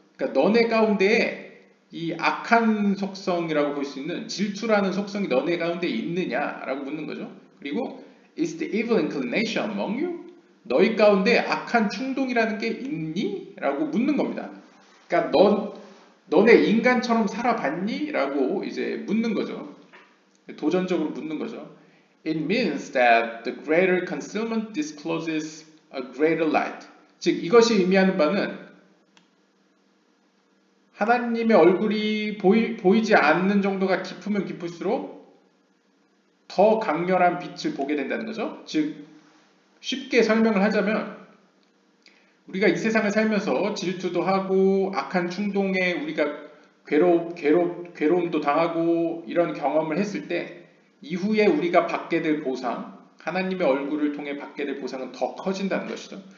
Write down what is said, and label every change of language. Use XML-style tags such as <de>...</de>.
<ko>그러니까 너네 가운데 이 악한 속성이라고 볼 수 있는 질투라는 속성이 너네 가운데 있느냐라고 묻는 거죠. 그리고</ko> <en>Is the evil inclination among you?</en> <ko>너희 가운데 악한 충동이라는 게 있니? 라고 묻는 겁니다. 그러니까 너네 인간처럼 살아봤니? 라고 이제 묻는 거죠. 도전적으로 묻는 거죠.</ko> <en>It means that the greater concealment discloses a greater light.</en> <ko>즉 이것이 의미하는 바는 하나님의 얼굴이 보이지 않는 정도가 깊으면 깊을수록 더 강렬한 빛을 보게 된다는 거죠. 즉 쉽게 설명을 하자면 우리가 이 세상을 살면서 질투도 하고 악한 충동에 우리가 괴로움도 당하고 이런 경험을 했을 때 이후에 우리가 받게 될 보상, 하나님의 얼굴을 통해 받게 될 보상은 더 커진다는 것이죠.</ko>